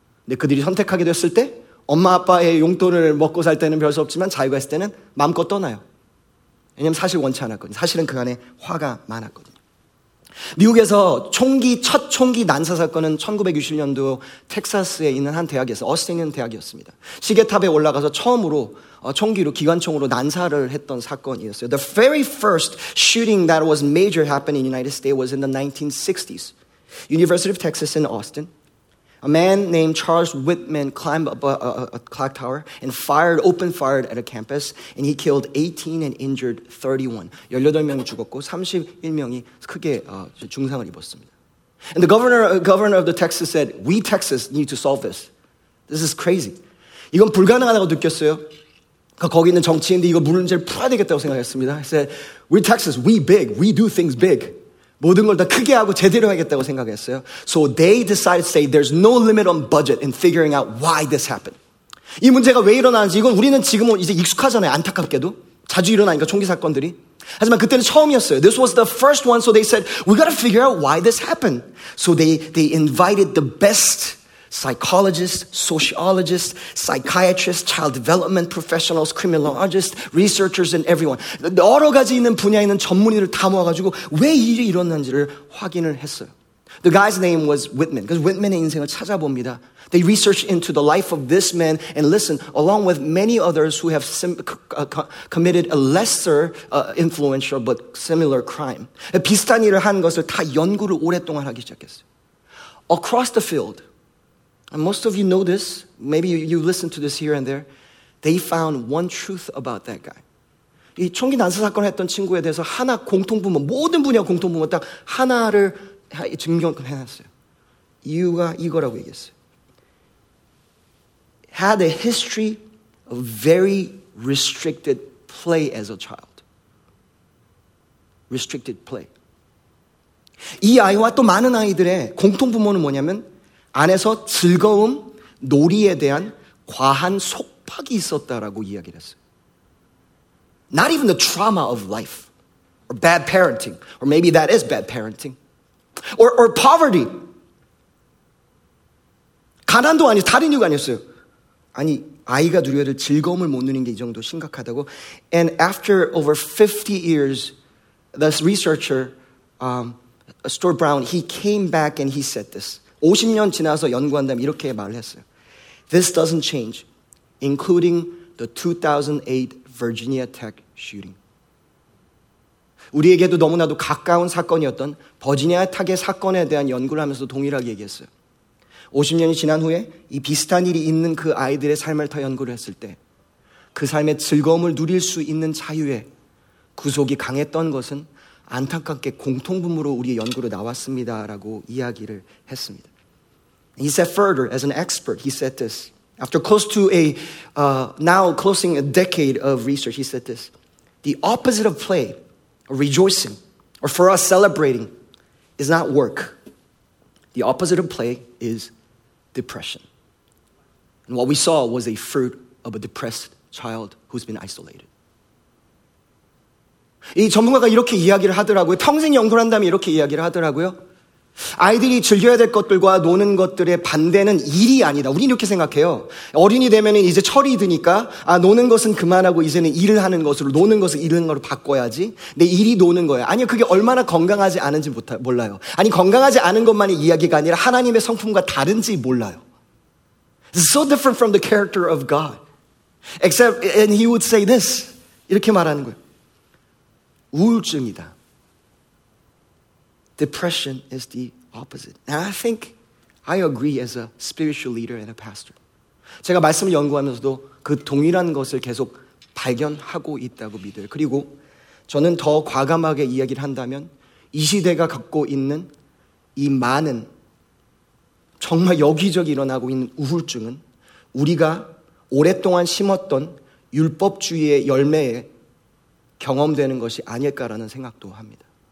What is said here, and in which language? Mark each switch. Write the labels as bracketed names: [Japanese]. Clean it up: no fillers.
[Korean] 근데 그들이 선택하게 됐을 때 엄마 아빠의 용돈을 먹고 살 때는 별 수 없지만 자유가 있을 때는 마음껏 떠나요. 왜냐면 사실 원치 않았거든요. 사실은 그 안에 화가 많았거든요. 미국에서 총기, 첫 총기 난사 사건은 1960년도 텍사스에 있는 한 대학에서, 어스틴에 있는 대학이었습니다. 시계탑에 올라가서 처음으로 총기로, 기관총으로 난사를 했던 사건이었어요. [English] The very first shooting that was major happened in the United States was in the 1960s. University of Texas in Austin. A man named Charles Whitman climbed up a clock tower and fired, open fired at a campus. And he killed 18 and injured 31. [Korean] 18명이 죽었고 31명이 크게 중상을 입었습니다. [English] And the governor of the Texas said, we Texas need to solve this. This is crazy. [Korean] 이건 불가능하다고 느꼈어요. 거기 있는 정치인들이 이거 문제를 풀어야 되겠다고 생각했습니다. [English] I said, we're Texas, we big, we do things big. [Korean] 모든 걸 다 크게 하고 제대로 하겠다고 생각했어요. [English] So they decided to say there's no limit on budget in figuring out why this happened. [Korean] 이 문제가 왜 일어나는지 이건 우리는 지금은 이제 익숙하잖아요. 안타깝게도. 자주 일어나니까 총기 사건들이. 하지만 그때는 처음이었어요. [English] This was the first one, so they said, we gotta figure out why this happened. So they invited the best psychologists, sociologists, psychiatrists, child development professionals, criminologists, researchers, and everyone. [Korean] 여러 가지 있는 분야에 있는 전문의를 다 모아가지고 왜 일이 일어났는지를 확인을 했어요. [English] The guy's name was Whitman. Because Whitman의 [Korean] 인생을 찾아봅니다. [English] They researched into the life of this man and listen, along with many others who have committed a lesser influential but similar crime. [Korean] 비슷한 일을 한 것을 다 연구를 오랫동안 하기 시작했어요. [English] Across the field, and most of you know this, maybe you've listened to this here and there, they found one truth about that guy. [Korean] 이 총기 난사 사건을 했던 친구에 대해서 하나 공통부모, 모든 분야 공통부모 딱 하나를 증명해놨어요. 이유가 이거라고 얘기했어요. [English] Had a history of very restricted play as a child. Restricted play. [Korean] 이 아이와 또 많은 아이들의 공통부모는 뭐냐면 안에서 즐거움, 놀이에 대한 과한 속박이 있었다라고 이야기를 했어요. [English] Not even the trauma of life, or bad parenting, or maybe that is bad parenting, or poverty. [Korean] 가난도 아니고 다른 이유가 아니었어요. 아니, 아이가 누려야 될 즐거움을 못 누리는 게 이 정도 심각하다고. [English] And after over 50 years, this researcher, Stuart Brown, he came back and he said this. [Korean] 50년 지나서 연구한 다음 이렇게 말을 했어요. [English] This doesn't change, including the 2008 Virginia Tech shooting. [Korean] 우리에게도 너무나도 가까운 사건이었던 버지니아 택의 사건에 대한 연구를 하면서 동일하게 얘기했어요. 50년이 지난 후에 이 비슷한 일이 있는 그 아이들의 삶을 다 연구를 했을 때 그 삶의 즐거움을 누릴 수 있는 자유에 구속이 강했던 것은 안타깝게 공통분모로 우리 연구로 나왔습니다라고 이야기를 했습니다. [English] He said further, as an expert, he said this. After close to a, now closing a decade of research, he said this. The opposite of play, or rejoicing, or for us celebrating, is not work. The opposite of play is depression. And what we saw was a fruit of a depressed child who's been isolated. [Korean] 이 전문가가 이렇게 이야기를 하더라고요. 평생 연구를 한다면 이렇게 이야기를 하더라고요. 아이들이 즐겨야 될 것들과 노는 것들의 반대는 일이 아니다. 우린 이렇게 생각해요. 어른이 되면은 이제 철이 드니까 아 노는 것은 그만하고 이제는 일을 하는 것으로 노는 것을 일하는 걸로 바꿔야지. 내 일이 노는 거야. 아니요, 그게 얼마나 건강하지 않은지 몰라요. 아니 건강하지 않은 것만의 이야기가 아니라 하나님의 성품과 다른지 몰라요. [English] It's so different from the character of God. Except and he would say this. [Korean] 이렇게 말하는 거예요. 우울증이다. [English] Depression is the opposite. And I think I agree as a spiritual leader and a pastor. [Korean] 제가 말씀을 연구하면서도 그 동일한 것을 계속 발견하고 있다고 믿어요. 그리고 저는 더 과감하게 이야기를 한다면 이 시대가 갖고 있는 이 많은 정말 여기저기 일어나고 있는 우울증은 우리가 오랫동안 심었던 율법주의의 열매에 경험되는 것이 아닐까라는 생각도 합니다.